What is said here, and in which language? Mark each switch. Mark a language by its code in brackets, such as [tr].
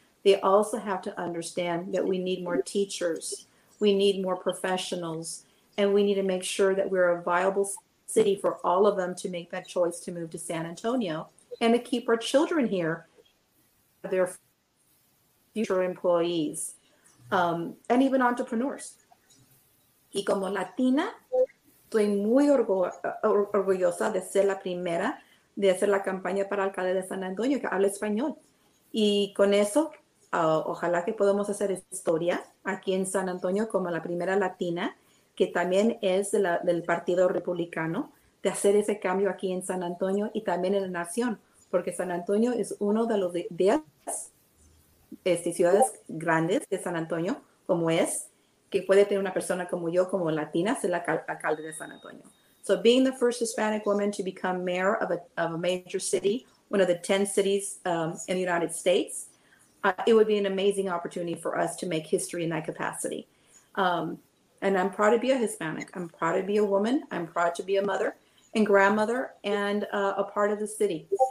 [en] They also have to understand that we need more teachers, we need more professionals, and we need to make sure that we're a viable city for all of them to make that choice to move to San Antonio and to keep our children here, their future employees, and even entrepreneurs. [es] Y como Latina, estoy muy orgullosa de ser la primera de hacer la campaña para alcalde de San Antonio, que habla español. Y con eso, ojalá que podamos hacer historia aquí en San Antonio como la primera latina, que también es del Partido Republicano, de hacer ese cambio aquí en San Antonio y también en la nación, porque San Antonio es uno de los 10 ciudades grandes de San Antonio, como es, que puede tener una persona como yo, como latina, ser la alcalde de San Antonio. [en] So being the first Hispanic woman to become mayor of a major city, one of the 10 cities in the United States, it would be an amazing opportunity for us to make history in that capacity. And I'm proud to be a Hispanic. I'm proud to be a woman. I'm proud to be a mother and grandmother and a part of the city.